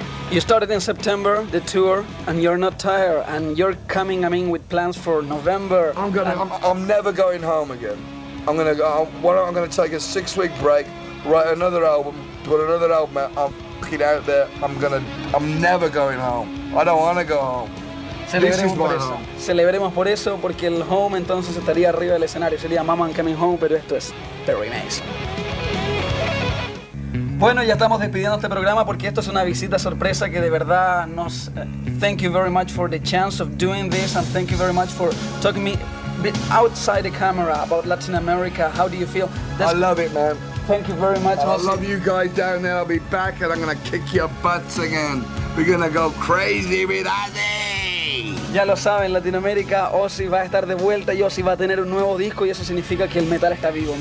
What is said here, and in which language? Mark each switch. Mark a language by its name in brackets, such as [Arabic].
[English] You started in September, the tour, and you're not tired, and you're coming, I mean, with plans for November. I'm never going home again. I'm gonna take a 6-week break. write another album, put another album out, I'm fucking out there, I'm never going home. I don't want to go home. [Spanish] Celebremos por eso. Home. Celebremos por eso, porque el home entonces estaría arriba del escenario. Sería Mama, I'm coming home, pero esto es Perry Mason. Bueno, ya estamos despidiendo este programa porque esto es una visita sorpresa que de verdad nos... [English] Thank you very much for the chance of doing this and thank you very much for talking me a bit outside the camera about Latin America. How do you feel? I love it, man. Thank you very much. I love you guys down there. I'll be back and I'm going to kick your butts again. We're going to go crazy with Ozzy. [Spanish] Ya lo saben, Latinoamérica, Ozzy va a estar de vuelta y Ozzy va a tener un nuevo disco y eso significa que el metal está vivo.